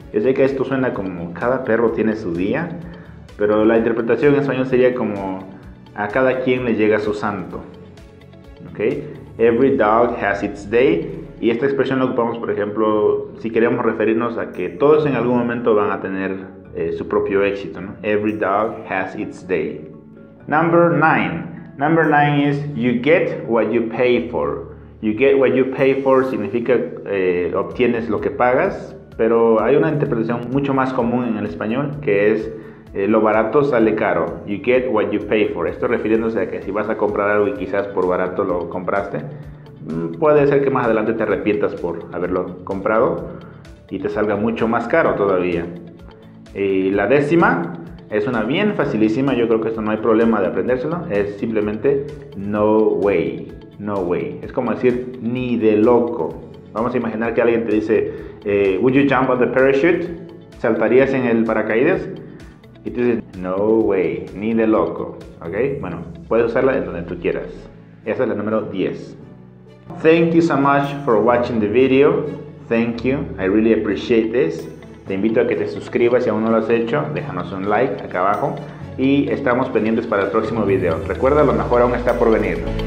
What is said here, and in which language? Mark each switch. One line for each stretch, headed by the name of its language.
Spanish: Yo sé que esto suena como cada perro tiene su día, pero la interpretación en español sería como a cada quien le llega su santo. ¿Ok?
English: Every dog has its day.
Spanish: Y esta expresión la ocupamos, por ejemplo, si queremos referirnos a que todos en algún momento van a tener su propio éxito, ¿no?
English: Every dog has its day. Number 9. Number 9 is you get what you pay for. You get what you pay for
Spanish: significa obtienes lo que pagas. Pero hay una interpretación mucho más común en el español que es lo barato sale caro.
English: You get what you pay for.
Spanish: Esto refiriéndose a que si vas a comprar algo y quizás por barato lo compraste, puede ser que más adelante te arrepientas por haberlo comprado y te salga mucho más caro todavía. Y la décima es una bien facilísima. Yo creo que esto no hay problema de aprendérselo. Es simplemente
English: no way. No way.
Spanish: Es como decir ni de loco. Vamos a imaginar que alguien te dice,
English: would you jump on the parachute?
Spanish: ¿Saltarías en el paracaídas? Y tú dices,
English: no way,
Spanish: ni de loco. ¿Ok? Bueno, puedes usarla en donde tú quieras. Esa es la número 10.
English: Thank you so much for watching the video. Thank you. I really appreciate this.
Spanish: Te invito a que te suscribas si aún no lo has hecho. Déjanos un like acá abajo. Y estamos pendientes para el próximo video. Recuerda, lo mejor aún está por venir.